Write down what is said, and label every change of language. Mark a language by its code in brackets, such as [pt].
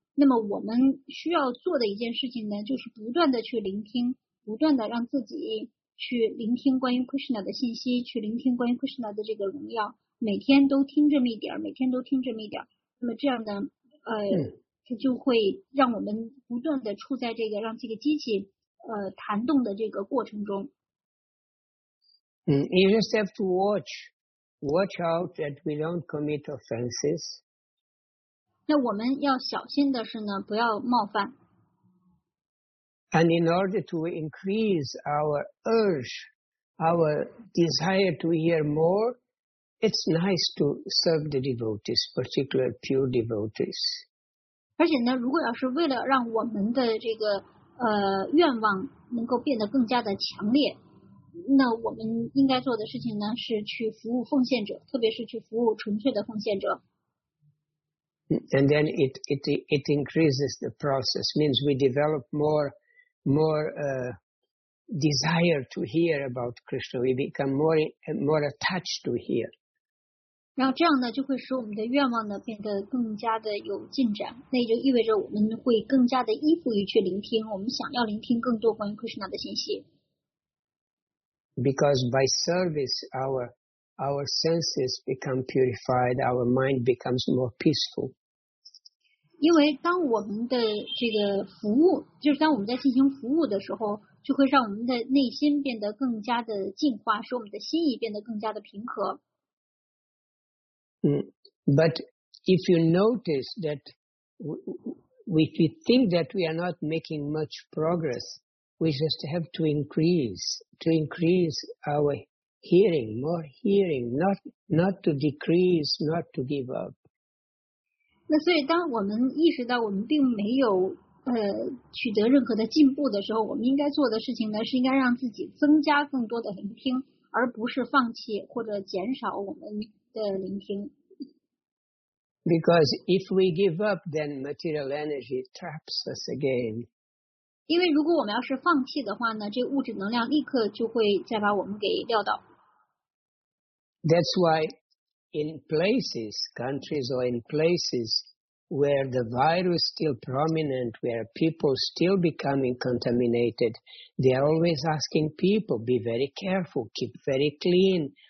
[zh] 那么我们需要做的一件事情呢，就是不断的去聆听，不断的让自己去聆听关于 Krishna 的信息，去聆听关于 Krishna 的这个荣耀，每天都听这么一点，每天都听这么一点。那么这样呢，它就会让我们不断的处在这个让这个机器弹动的这个过程中。 [en] You just have to watch out that we don't commit offenses. [zh] 那我们要小心的是呢，不要冒犯。 [en] And in order to increase our urge, our desire to hear more, it's nice to serve the devotees, particularly pure devotees. [zh] 而且呢，如果要是为了让我们的这个愿望能够变得更加的强烈，那我们应该做的事情呢是去服务奉献者，特别是去服务纯粹的奉献者。 [en] And then it increases the process, means we develop more desire to hear about Krishna. We become more attached to hear. [zh] 然后这样呢就会使我们的愿望呢变得更加的有进展，那也就意味着我们会更加的依附于去聆听，我们想要聆听更多关于 Krishna 的信息。 [en] Because by service, our senses become purified, our mind becomes more peaceful. [zh] 因为当我们的这个服务，就是当我们在进行服务的时候，就会让我们的内心变得更加的净化，使我们的心意变得更加的平和。 [en] But if you notice that if we think that we are not making much progress, we just have to increase our hearing, more hearing, not to decrease, not to give up. [zh] 那所以当我们意识到我们并没有取得任何的进步的时候，我们应该做的事情呢，是应该让自己增加更多的聆听，而不是放弃或者减少我们的聆听。 [en] Because if we give up, then material energy traps us again. [zh] 因为如果我们要是放弃的话呢，这物质能量立刻就会再把我们给撂倒。 [en] That's why in places, countries or in places where the virus still prominent, where people still becoming contaminated, they are always asking people, be very careful, keep very clean.